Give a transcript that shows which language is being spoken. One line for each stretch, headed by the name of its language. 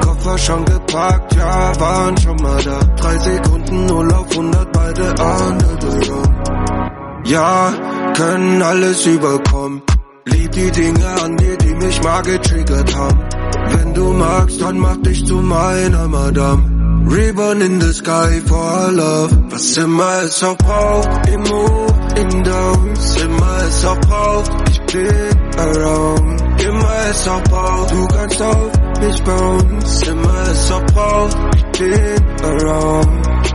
German: Koffer schon gepackt, ja, waren schon mal da. 3 Sekunden, 0 auf 100, beide anderen. Ja, können alles überkommen. Lieb die Dinge an dir, die mich mal getriggert haben. Wenn du magst, dann mach dich zu meiner Madame.
English: Ribbon in the sky for our love.
German: Was immer es auch braucht, im Hoch,
English: im Down.
German: Was immer es auch braucht, ich bin around. Immer es auch braucht, du kannst auf mich bauen. Was immer es auch braucht, ich bin around.